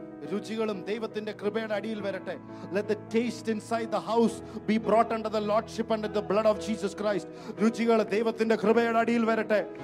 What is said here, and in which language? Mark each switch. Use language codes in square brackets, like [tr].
[ml] രുചികളും ദൈവത്തിന്റെ കൃപയുടെ അടിയിൽ വരട്ടെ. [en] Let the taste inside the house be brought under the lordship, under the blood of Jesus Christ. [ml] രുചികൾ ദൈവത്തിന്റെ കൃപയുടെ അടിയിൽ വരട്ടെ.